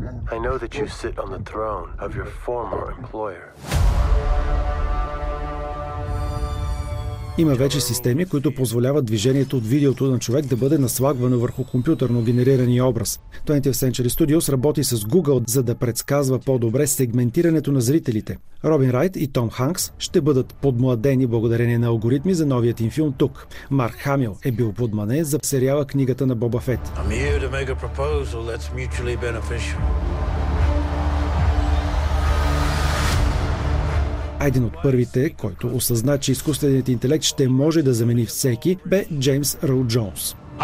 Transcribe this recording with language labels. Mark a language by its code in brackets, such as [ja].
[en] I know that you sit on the throne of your former employer. [bg] Има вече системи, които позволяват движението от видеото на човек да бъде наслагвано върху компютърно генерирания образ. 20th Century Studios работи с Google, за да предсказва по-добре сегментирането на зрителите. Робин Райт и Том Ханкс ще бъдат подмладени благодарение на алгоритми за новият им филм тук. Марк Хамил е бил подмладен за сериала Книгата на Боба Фет. [en] I'm here to make a proposal that's mutually beneficial. [bg] Един от първите, който осъзна, че изкуственият интелект ще може да замени всеки, бе Джеймс Ръл Джонс.